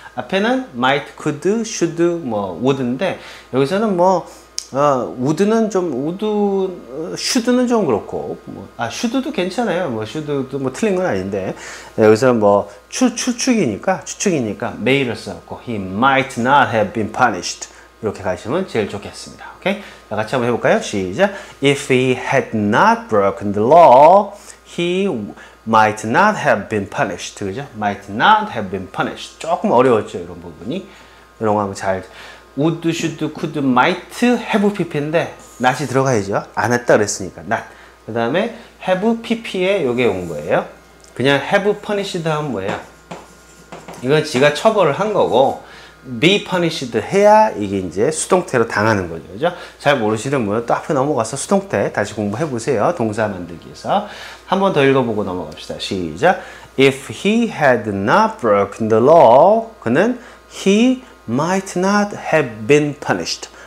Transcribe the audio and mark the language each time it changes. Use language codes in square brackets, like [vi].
[ko] 앞에는 might, could, should, 뭐, would인데, 여기서는 뭐, would는 좀, would, should는 좀 그렇고, 뭐, 아, should도 괜찮아요. 뭐, should도 뭐, 틀린 건 아닌데, 여기서는 뭐, 추측이니까, may를 써갖고, [en] he might not have been punished. [ko] 이렇게 가시면 제일 좋겠습니다. 오케이? 자, 같이 한번 해볼까요? 시작. [en] If he had not broken the law, he might not have been punished. [ko] 그죠? [en] Might not have been punished. [ko] 조금 어려웠죠, 이런 부분이. 이런 거 한번 잘. Would, should, could, might, have, pp인데, not이 들어가야죠. 안 했다 그랬으니까, not. 그 다음에, have, pp에 요게 온 거예요. 그냥 have punished 하면 뭐예요? 이건 지가 처벌을 한 거고, be punished 해야 이게 이제 수동태로 당하는 거죠. 그죠? 잘 모르시는 분은 또 앞에 넘어가서 수동태 다시 공부해 보세요. 동사 만들기에서. 한 번 더 읽어보고 넘어갑시다. 시작. [en] If he had not broken the law, [ko] 그는 [en] he might not have been punished.